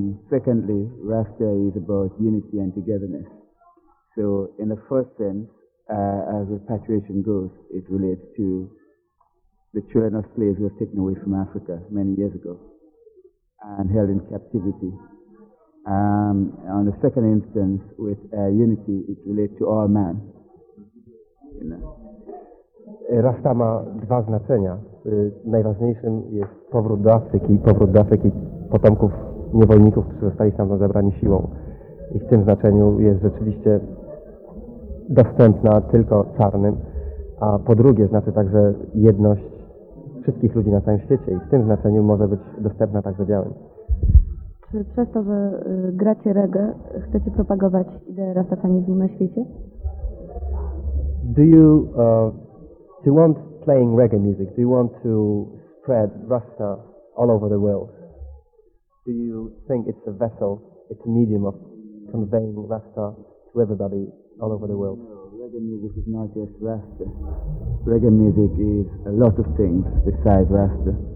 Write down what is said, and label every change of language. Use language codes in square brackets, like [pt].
[en] Secondly, Rasta is about unity and togetherness. So in the first sense, as repatriation goes, it relates to the children of slaves who were taken away from Africa many years ago and held in captivity. On the second instance, with unity, it relates to all man. You know. [pl] Rasta ma dwa znaczenia. Najważniejszym jest powrót do Afryki, potomków niewolników, którzy zostali tam zabrani siłą. I w tym znaczeniu jest rzeczywiście dostępna tylko czarnym. A po drugie znaczy także jedność wszystkich ludzi na całym świecie. I w tym znaczeniu może być dostępna także białym. Czy przez to, że gracie reggae, chcecie propagować ideę rastafanizmu na świecie? [en] Do you want playing reggae music? Do you want to spread Rasta all over the world? Do you think it's a vessel, it's a medium of conveying Rasta to everybody all over the world? No, reggae music is not just Rasta. Reggae music is a lot of things besides Rasta.